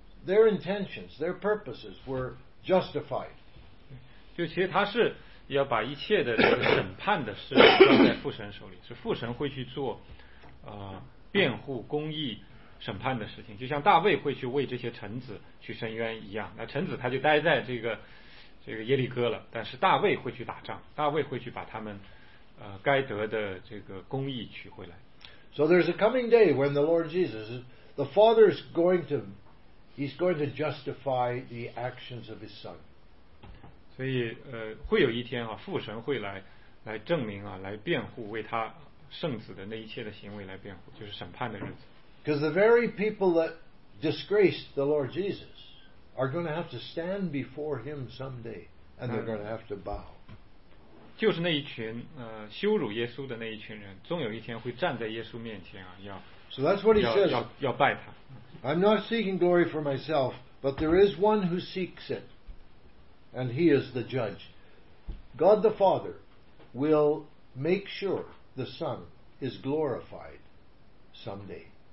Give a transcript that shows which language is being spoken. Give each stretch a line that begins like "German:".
English: Their intentions, their purposes were justified.
Chinese: 就其实他是要把一切的这个审判的事交在父神手里，是父神会去做辩护、公义、审判的事情。就像大卫会去为这些臣子去伸冤一样，那臣子他就待在这个耶利哥了，但是大卫会去打仗，大卫会去把他们该得的这个公义取回来。
English: So there's a coming day when the Lord Jesus, the Father is going to. He's going to justify the actions of his son.
Chinese: 所以会有一天啊，父神会来证明啊，来辩护为他圣子的那一切的行为来辩护，就是审判的日子。
English: Because the very people that disgraced the Lord Jesus are going to have to stand before him someday, and they're going to have to bow.
Chinese: 就是那一群羞辱耶稣的那一群人，终有一天会站在耶稣面前啊，要。
English: So that's what he says.
Chinese: 要拜他。
English: I'm not seeking glory for myself, but there is one who seeks it, and he is the judge. God the Father will make sure the Son is glorified someday.